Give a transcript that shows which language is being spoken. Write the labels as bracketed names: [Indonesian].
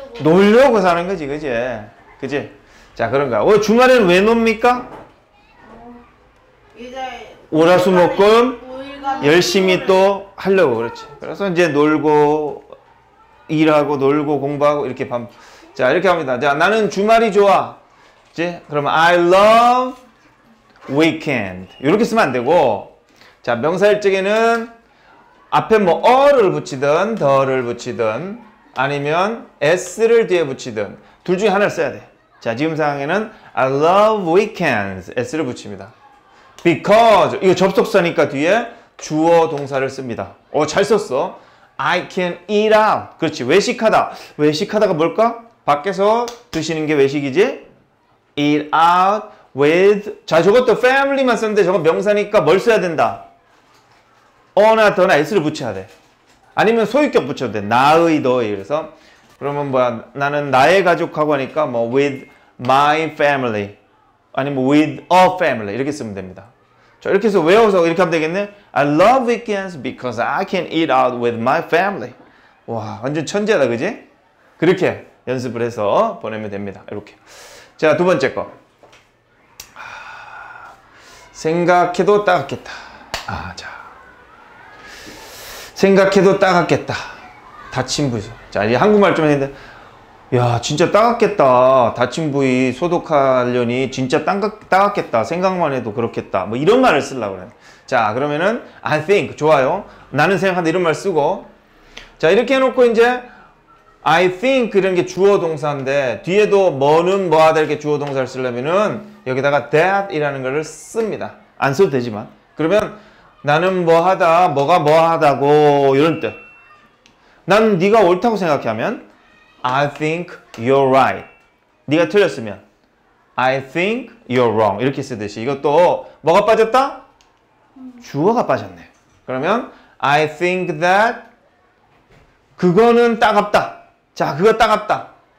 [Korean] 놀려고 사는 거지. 그지? 그지? 자, 그런가. 주말에는 왜 놉니까? 월화수목금 열심히 또 하려고. 그렇지. 그래서 이제 놀고, 일하고, 놀고, 공부하고, 이렇게 밤. 자, 이렇게 합니다. 자, 나는 주말이 좋아. 이제 그러면 [English] I love weekend. [Korean] 이렇게 쓰면 안 되고, 자, 명사일적에는 앞에 뭐 어를 붙이든 더를 붙이든 아니면 s를 뒤에 붙이든 둘 중에 하나를 써야 돼. 자, 지금 상황에는 [English] I love weekends. [Korean] s를 붙입니다. because 이거 접속사니까 뒤에 주어 동사를 씁니다. 오, 잘 썼어. [English] I can eat out. [Korean] 그렇지. 외식하다. 외식하다가 뭘까? 밖에서 드시는 게 외식이지? [English] Eat out with. [Korean] 자, 저것도 family만 썼는데 저거 명사니까 뭘 써야 된다? or나 더나 s를 붙여야 돼. 아니면 소유격 붙여도 돼. 나의, 너의. 그래서 그러면 뭐야, 나는 나의 가족하고 하니까 뭐 [English] with my family [Korean] 아니면 [English] with a family [Korean] 이렇게 쓰면 됩니다. 자, 이렇게 해서 외워서 이렇게 하면 되겠네. [English] I love weekends because I can eat out with my family. [Korean] 와, 완전 천재다, 그지? 그렇게 연습을 해서 보내면 됩니다. 이렇게. 자, 두 번째 거. 생각해도 따갑겠다. 아, 자. 생각해도 따갑겠다. 다친 부위. 자, 이제 한국말 좀 했는데, 야, 진짜 따갑겠다. 다친 부위 소독하려니 진짜 따갑겠다. 생각만 해도 그렇겠다. 뭐 이런 말을 쓰려고 그래. 자, 그러면은 [English] I think. [Korean] 좋아요. 나는 생각한다. 이런 말 쓰고. 자, 이렇게 해놓고 이제 [English] I think [Korean] 이런 게 주어 동사인데 뒤에도 뭐는 뭐 하다 이렇게 주어 동사를 쓰려면은 여기다가 that 이라는 거를 씁니다. 안 써도 되지만. 그러면 나는 뭐 하다, 뭐가 뭐 하다고 이런 뜻. 난 네가 옳다고 생각해 하면 [English] I think you're right. [Korean] 네가 틀렸으면 [English] I think you're wrong. [Korean] 이렇게 쓰듯이 이것도 뭐가 빠졌다? 주어가 빠졌네. 그러면 [English] I think that [Korean] 그거는 따갑다. 자, 그거 따갑다.